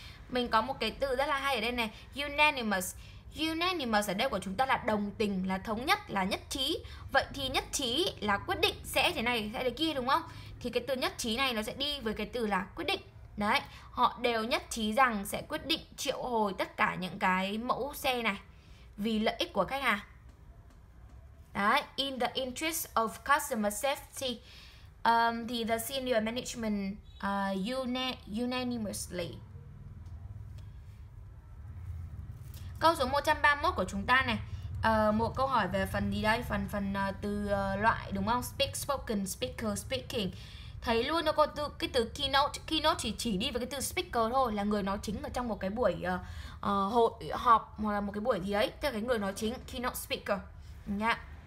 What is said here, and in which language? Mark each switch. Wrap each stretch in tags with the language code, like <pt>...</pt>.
<vi>Mình có một cái từ rất là hay ở đây này, unanimous. Unanimous ở đây của chúng ta là đồng tình, là thống nhất, là nhất trí. Vậy thì nhất trí là quyết định sẽ thế này, sẽ thế kia đúng không? Thì cái từ nhất trí này nó sẽ đi với cái từ là quyết định. Đấy, họ đều nhất trí rằng sẽ quyết định triệu hồi tất cả những cái mẫu xe này vì lợi ích của khách hàng.</vi> <en>Đấy, in the interest of customer safety, thì the senior management unanimously.</en> <vi>Câu số 131 của chúng ta này, một câu hỏi về phần gì đây? Phần phần từ loại đúng không? Speak, spoken, speaker, speaking. Thấy luôn nó có từ cái từ keynote. Keynote chỉ đi với cái từ speaker thôi, là người nói chính ở trong một cái buổi hội họp hoặc là một cái buổi gì đấy, tức là cái người nói chính, keynote speaker nha.</vi>